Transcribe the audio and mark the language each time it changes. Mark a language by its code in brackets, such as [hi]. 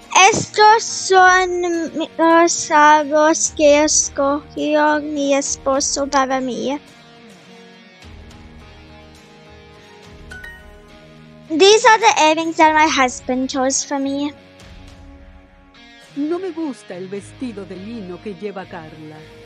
[es] Estos son los aros que escogió mi esposo para mí. [en] These are the earrings that my husband chose for me. [es] No me gusta el vestido de lino que lleva Carla.